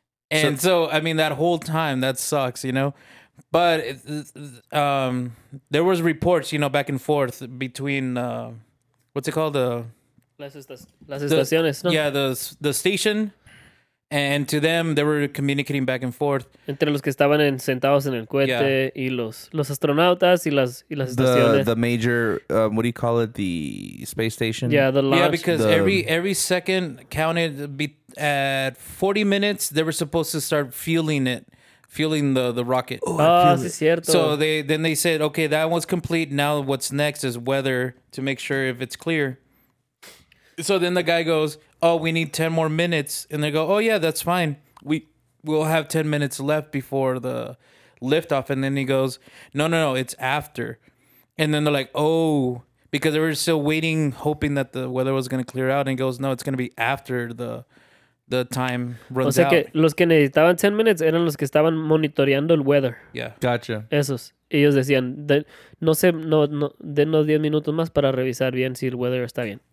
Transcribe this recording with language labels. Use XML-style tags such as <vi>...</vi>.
<en>And so, I mean, that whole time, that sucks, you know? But there was reports, you know, back and forth between, what's it called?</en> <es>Las estaciones, ¿no?</es> <en>Yeah, the station. And to them, they were communicating back and forth.</en> <es>Entre los que estaban sentados en el cohete y los astronautas y las estaciones.</es> <en>The major, what do you call it? The space station? Yeah, the launch. Yeah, because every second counted at 40 minutes, they were supposed to start fueling the rocket.</en> <es>Sí, cierto.</es> <en>So they said, okay, that one's complete. Now what's next is weather to make sure if it's clear. So then the guy goes, oh, we need 10 more minutes. And they go, oh, yeah, that's fine. We'll have 10 minutes left before the liftoff. And then he goes, no, it's after. And then they're like, oh, because they were still waiting, hoping that the weather was going to clear out. And he goes, no, it's going to be after the time runs out.</en> <es>O sea, que los que necesitaban</es> <en>10 minutes</en> <es>eran los que estaban monitoreando el weather.</es> <en>Yeah. Gotcha.</en> <es>Esos. Ellos decían, denos 10 minutos más para revisar bien si el weather está bien.</es>